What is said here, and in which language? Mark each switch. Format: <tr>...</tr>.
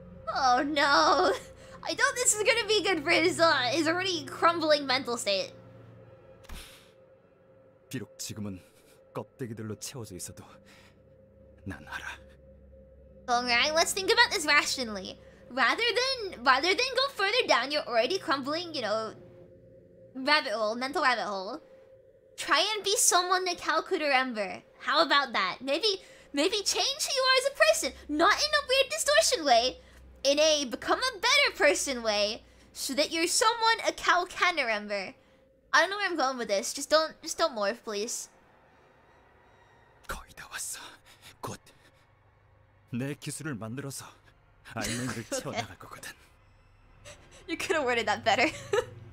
<en>Oh no. I thought this was going to be good for his already crumbling mental state.</en> <ko>비록 지금은 껍데기들로 채워져 있어도 난 알아.</ko> <en>Alright, let's think about this rationally. Rather than go further down your already crumbling, you know, rabbit hole, mental rabbit hole, try and be someone that Cal could remember. How about that? Maybe change who you are as a person, not in a weird distortion way, in a become-a-better-person way, so that you're someone a cow can remember. I don't know where I'm going with this. Just don't morph, please.</en> <ko>거의 다 왔어. 곧 내 기술을 만들어서 알맹이를 채워나갈 거거든.</ko> <en>You could have worded that better.</en>